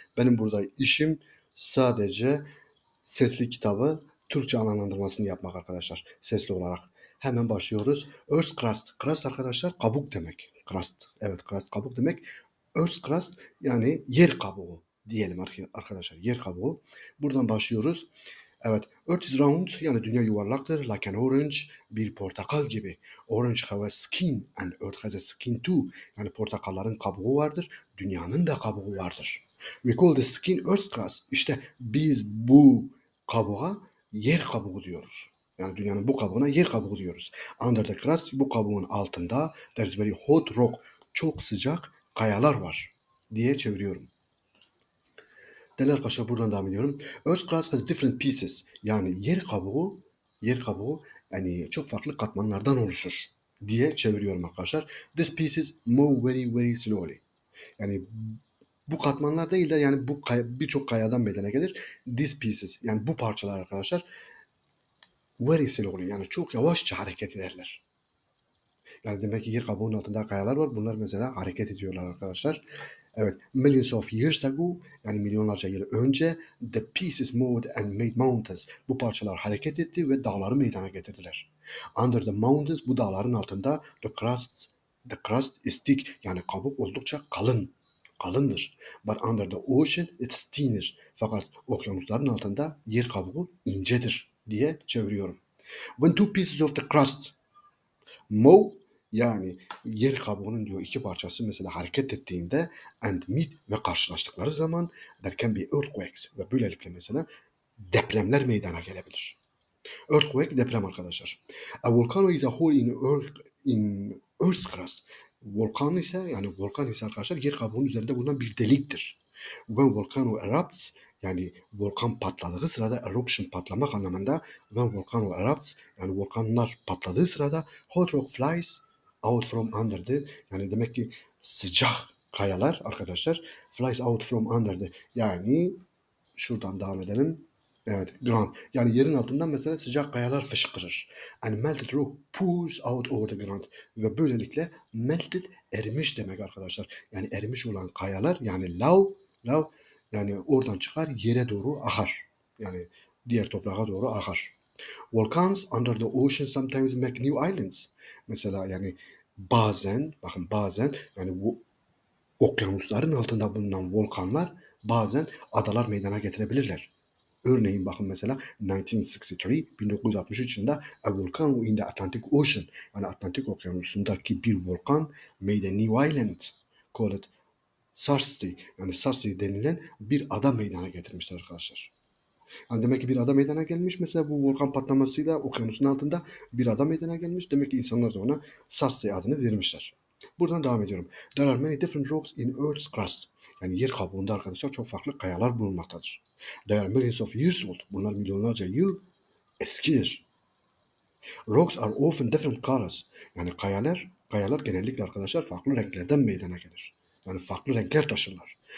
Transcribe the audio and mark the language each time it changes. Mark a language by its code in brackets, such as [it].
[tr] Benim burada işim sadece sesli kitabı Türkçe anlamlandırmasını yapmak arkadaşlar. Sesli olarak. Hemen başlıyoruz. Earth crust. Crust arkadaşlar kabuk demek. Crust. Evet, crust kabuk demek. Earth crust yani yer kabuğu diyelim arkadaşlar. Yer kabuğu. Buradan başlıyoruz. Evet. [en] Earth is round. [tr] Yani dünya yuvarlaktır. [en] Like an orange. [tr] Bir portakal gibi. [en] Orange have a skin and earth has a skin too. [tr] Yani portakalların kabuğu vardır. Dünyanın da kabuğu vardır. [en] We call the skin earth crust. [tr] İşte biz bu kabuğa yer kabuğu diyoruz. Yani dünyanın bu kabuğuna yer kabuğu diyoruz. [en] Under the crust, [tr] bu kabuğun altında [en] there is very hot rock, [tr] çok sıcak kayalar var diye çeviriyorum. Değerli arkadaşlar, buradan devam ediyorum. [en] Earth crust has different pieces. [tr] Yani yer kabuğu yani çok farklı katmanlardan oluşur diye çeviriyorum arkadaşlar. [en] These pieces move very very slowly. [tr] Yani bu katmanlar değil de yani bu birçok kayadan meydana gelir. [en] These pieces [tr] yani bu parçalar arkadaşlar [en] very slowly [tr] yani çok yavaşça hareket ederler. Yani demek ki yer kabuğunun altında kayalar var. Bunlar mesela hareket ediyorlar arkadaşlar. Evet. [en] Millions of years ago, [tr] yani milyonlarca yıl önce, [en] the pieces moved and made mountains. [tr] Bu parçalar hareket etti ve dağları meydana getirdiler. [en] Under the mountains, [tr] bu dağların altında, [en] the crust is thick. [tr] Yani kabuk oldukça kalın. Kalındır. [en] But under the ocean, it's thinner. [tr] Fakat okyanusların altında yer kabuğu incedir diye çeviriyorum. [en] When two pieces of the crust move, [tr] yani yer kabuğunun diyor iki parçası mesela hareket ettiğinde [en] and meet [tr] ve karşılaştıkları zaman [en] there can be earthquakes [tr] ve böylelikle mesela depremler meydana gelebilir. Earthquake deprem arkadaşlar. [en] A volcano is a hole in earth's crust. [tr] Volkan ise yani volkan ise arkadaşlar yer kabuğunun üzerinde bulunan bir deliktir. [en] When volcano erupts [tr] yani volkan patladığı sırada eruption patlamak anlamında [en] when volcano erupts [tr] yani volkanlar patladığı sırada [en] hot rock flies out from under the [tr] yani demek ki sıcak kayalar arkadaşlar [en] flies out from under the [tr] yani şuradan devam edelim. Evet, ground yani yerin altından mesela sıcak kayalar fışkırır. [en] And melted rock pours out over the ground [tr] ve böylelikle melted erimiş demek arkadaşlar. Yani erimiş olan kayalar yani lava yani oradan çıkar yere doğru akar. Yani diğer toprağa doğru akar. [en] Volcans under the ocean sometimes make new islands. [tr] Mesela yani bazen yani bu okyanusların altında bulunan volkanlar bazen adalar meydana getirebilirler. Örneğin bakın mesela 1963 yılında [en] a volcano in the Atlantic Ocean [tr] yani Atlantik Okyanusu'ndaki bir volkan [en] made a new island called Sarsi [tr] yani Sarsi denilen bir ada meydana getirmişler arkadaşlar. Yani demek ki bir ada meydana gelmiş. Mesela bu volkan patlamasıyla okyanusun altında bir ada meydana gelmiş. Demek ki insanlar da ona Sarsi adını vermişler. Buradan devam ediyorum. [en] There are many different rocks in Earth's crust. [tr] Yani yer kabuğunda arkadaşlar çok farklı kayalar bulunmaktadır. [en] They are millions of years old. [tr] Bunlar milyonlarca yıl eskidir. [en] Rocks are often different colors. [tr] Yani kayalar genellikle arkadaşlar farklı renklerden meydana gelir. Yani farklı renkler taşırlar.